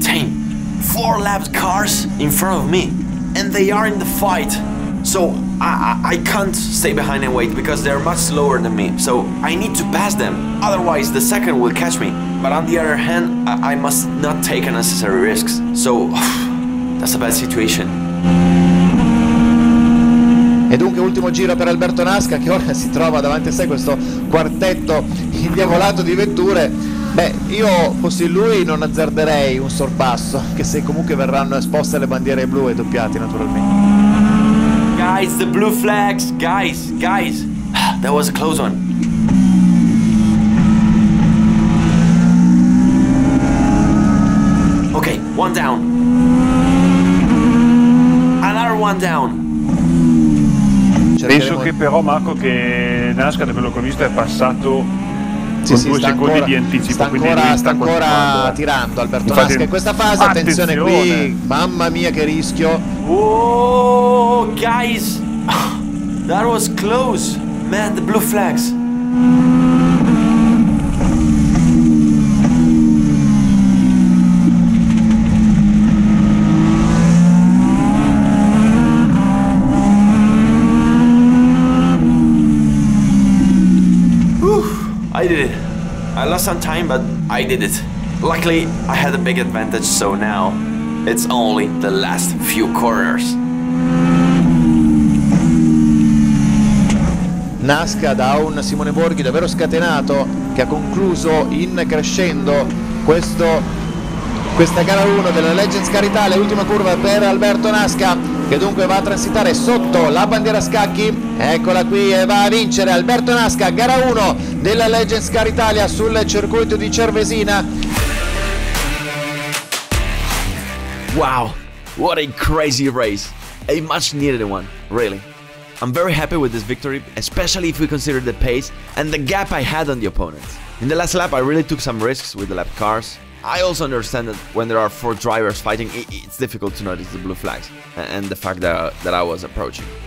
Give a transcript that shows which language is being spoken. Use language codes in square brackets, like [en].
[en] Dang, 4 laps cars in front of me, and they are in the fight. So I can't stay behind and wait, because they're much slower than me. So I need to pass them, otherwise the second will catch me. But on the other hand, I must not take unnecessary risks. So that's a bad situation. [it] E dunque ultimo giro per Alberto Nasca, che ora si trova davanti a sé questo quartetto indiavolato di vetture. Beh, io fossi lui non azzarderei un sorpasso, anche se comunque verranno esposte le bandiere blu e doppiate naturalmente. [en] Guys, the blue flags, guys, that was a close one. Okay, one down. Another one down. [it] Penso che però, Marco, che Nasca, da quello che ho visto, è passato con due secondi di anticipo. Sta ancora tirando Alberto Nasca in questa fase, attenzione qui, mamma mia che rischio. [en] Oh, guys, that was close, man, the blue flags. I did it. I lost some time, but I did it. Luckily, I had a big advantage, so now it's only the last few corners. [it] Nasca da un Simone Borghi davvero scatenato, che ha concluso in crescendo questa gara 1 della Legends Car Italia. Ultima curva per Alberto Nasca, che dunque va a transitare sotto la bandiera a scacchi. Eccola qui, e va a vincere Alberto Nasca, gara 1 della Legends Car Italia sul circuito di Cervesina. [en] Wow, what a crazy race, a much needed one, really. I'm very happy with this victory, especially if we consider the pace and the gap I had on the opponents. In the last lap I really took some risks with the lap cars. I also understand that when there are 4 drivers fighting, it's difficult to notice the blue flags and the fact that I was approaching.